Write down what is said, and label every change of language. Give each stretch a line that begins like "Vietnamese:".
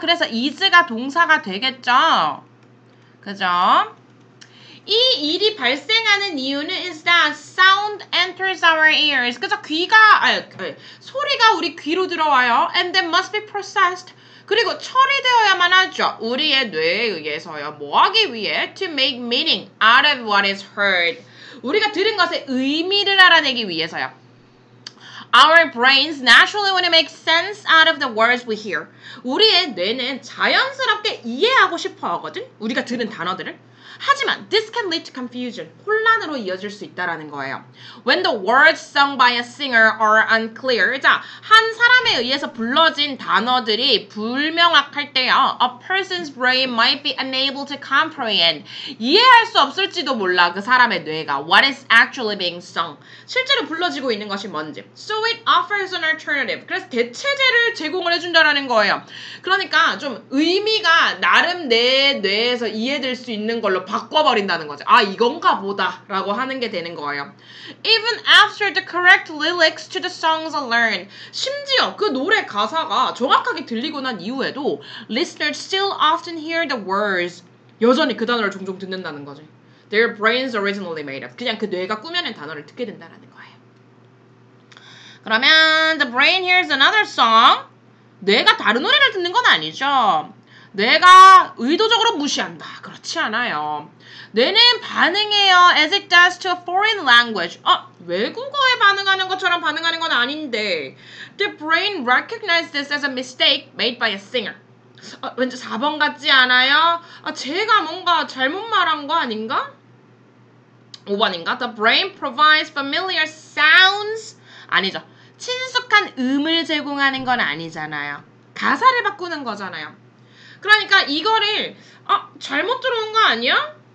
Korean: 그래서 is가 동사가 되겠죠. 그죠? 이 일이 발생하는 이유는
English: is that sound enters our ears.
Korean: 그죠? 귀가 소리가 우리 귀로 들어와요.
English: And then must be processed.
Korean: 그리고 처리되어야만 하죠. 우리의 뇌에 의해서요. 뭐 하기 위해?
English: To make meaning out of what is heard.
Korean: 우리가 들은 것의 의미를 알아내기 위해서요.
English: Our brains naturally want to make sense out of the words we hear.
Korean: 우리의 뇌는 자연스럽게 이해하고 싶어 하거든. 우리가 들은 단어들을. 하지만
English: this can lead to confusion.
Korean: 혼란으로 이어질 수 있다라는 거예요.
English: When the words sung by a singer are unclear.
Korean: 자, 한 사람에 의해서 불러진 단어들이 불명확할 때요.
English: A person's brain might be unable to comprehend.
Korean: 이해할 수 없을지도 몰라 그 사람의 뇌가.
English: What is actually being sung?
Korean: 실제로 불러지고 있는 것이 뭔지.
English: So it offers an alternative.
Korean: 그래서 대체제를 제공을 해준다라는 거예요. 그러니까 좀 의미가 나름 내 뇌에서 이해될 수 있는 걸 로 바꿔버린다는 거죠. 아 이건가 보다 라고 하는 게 되는 거예요.
English: Even after the correct lyrics to the songs are learned.
Korean: 심지어 그 노래 가사가 정확하게 들리고 난 이후에도
English: listeners still often hear the words.
Korean: 여전히 그 단어를 종종 듣는다는 거죠.
English: Their brains originally made up.
Korean: 그냥 그 뇌가 꾸며낸 단어를 듣게 된다는 거예요.
English: 그러면 the brain hears another song.
Korean: 뇌가 다른 노래를 듣는 건 아니죠. 뇌가 의도적으로 무시한다. 그렇지 않아요. 뇌는 반응해요.
English: As it does to a foreign language.
Korean: 어, 외국어에 반응하는 것처럼 반응하는 건 아닌데.
English: The brain recognizes this as a mistake made by a singer.
Korean: 어, 왠지 4번 같지 않아요? 아, 제가 뭔가 잘못 말한 거 아닌가? 5번인가?
English: The brain provides familiar sounds.
Korean: 아니죠. 친숙한 음을 제공하는 건 아니잖아요. 가사를 바꾸는 거잖아요. 그러니까 이거를 아, 잘못 들어온 거 아니야?